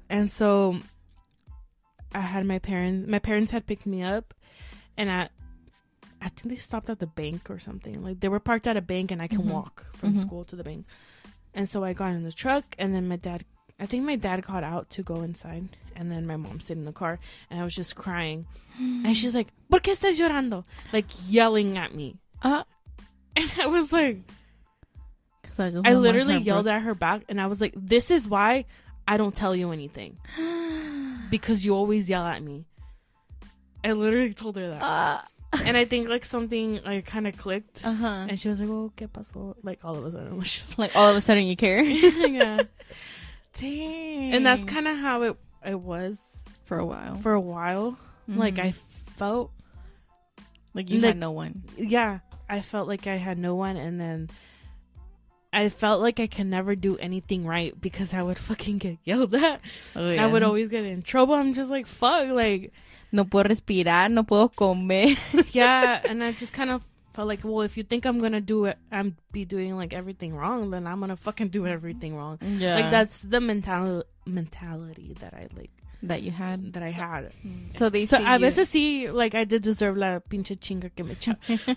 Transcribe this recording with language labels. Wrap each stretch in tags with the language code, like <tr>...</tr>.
<en>And so I had my parents had picked me up, and I think they stopped at the bank or something. Like, they were parked at a bank and I can walk from school to the bank. And so I got in the truck, and then my dad got out to go inside, and then my mom stayed in the car, and I was just crying. And she's like,</en> <es>¿por qué estás llorando?</es> <en>Like, yelling at me. And I was like, I literally yelled at her back, and I was like, this is why I don't tell you anything, because you always yell at me. I literally told her that. And I think like something like kind of clicked. And she was like, well,</en> <es>¿qué pasó?</es> <en>Like, all of a sudden, she's like, all of a sudden you care. Dang. And that's kind of how it was for a while. Mm-hmm. Like, I felt like you had no one. Yeah. I felt like I had no one, and then I felt like I can never do anything right because I would fucking get yelled at. Oh, yeah. I would always get in trouble. I'm just like, fuck, like,</en> <es>no puedo respirar, no puedo comer.</es> <en>Yeah, and I just kind of felt like, well, if you think I'm gonna do it, I'm be doing like everything wrong, then I'm gonna fucking do everything wrong. Yeah, like that's the mentality that I like. That you had? That I had. So they see you. So I see, like, I did deserve</en> <es>la pinche chinga que me echó.</es>